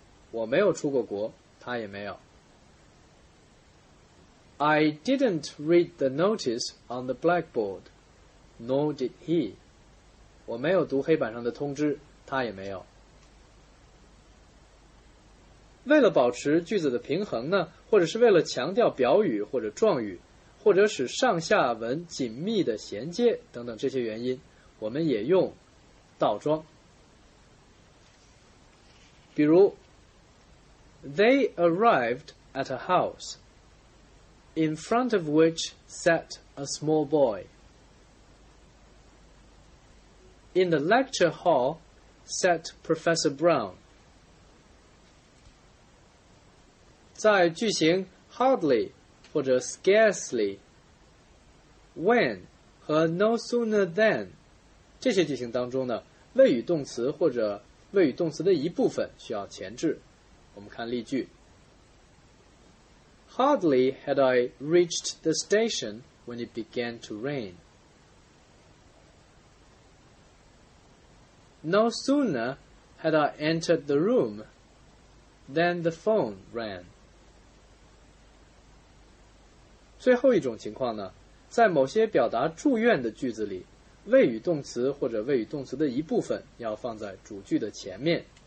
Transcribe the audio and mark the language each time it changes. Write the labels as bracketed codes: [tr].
[zh] 我没有出过国，他也没有。 [en] I didn't read the notice on the blackboard, nor did he. [zh] 我没有读黑板上的通知，他也没有。为了保持句子的平衡呢，或者是为了强调表语或者状语，或者使上下文紧密的衔接等等这些原因，我们也用倒装。比如 [en] They arrived at a house in front of which sat a small boy. In the lecture hall sat Professor Brown. [zh] 在句型 hardly 或者 scarcely, [en] when [zh] 和 [en] no sooner than [zh] 这些句型当中呢，谓语动词或者谓语动词的一部分需要前置。我们看例句。 [en] Hardly had I reached the station when it began to rain. No sooner had I entered the room than the phone rang. [zh] 最后一种情况呢，在某些表达祝愿的句子里，谓语动词或者谓语动词的一部分要放在主句的前面。